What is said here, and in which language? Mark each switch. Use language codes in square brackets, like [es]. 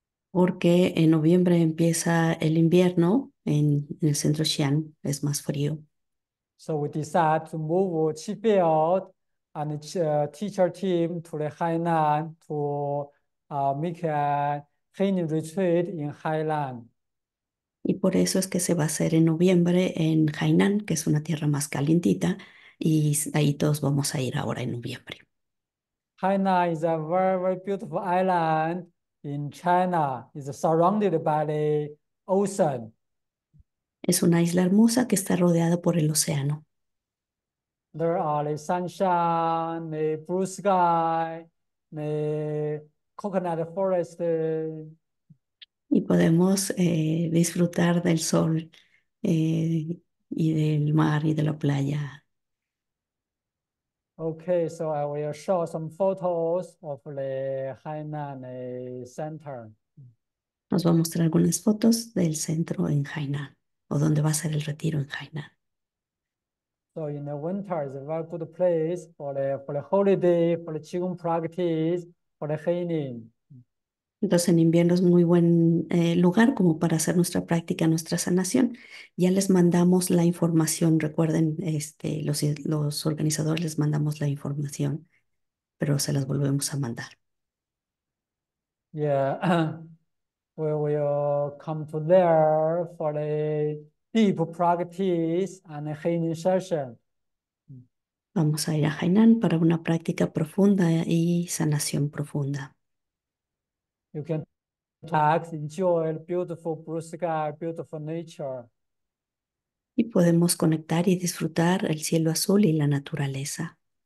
[es] Porque en noviembre empieza el invierno en el centro Xi'an, es más frío. [en] So we decide to move Chi Field and the teacher team to the Hainan to make a training retreat in Hainan. [es] Y por eso es que se va a hacer en noviembre en Hainan, que es una tierra más calientita, Y ahí todos vamos a ir ahora en noviembre. [en] China is a very, very beautiful island in China. It's surrounded by the ocean. [es] Es una isla hermosa que está rodeada por el océano. [en] There are the sunshine, the blue sky, the coconut forest. [es] Y podemos disfrutar del sol y del mar y de la playa. [en] Okay, so I will show some photos of the Hainan Center. [es] Nos va a mostrar algunas fotos del centro en Hainan o donde va a ser el retiro en Hainan. [en] So in the winter is a very good place for the holiday, for the Qigong practice, for the healing. [es] Entonces, en invierno es muy buen lugar como para hacer nuestra práctica, nuestra sanación. Ya les mandamos la información. Recuerden, los organizadores les mandamos la información, pero se las volvemos a mandar. [en] Yeah, we will come to there for the deep practice and healing session. [es] Vamos a ir a Hainan para una práctica profunda y sanación profunda. [en] You can relax, enjoy beautiful blue sky, beautiful nature. [es] Y podemos conectar y disfrutar el cielo azul y la naturaleza.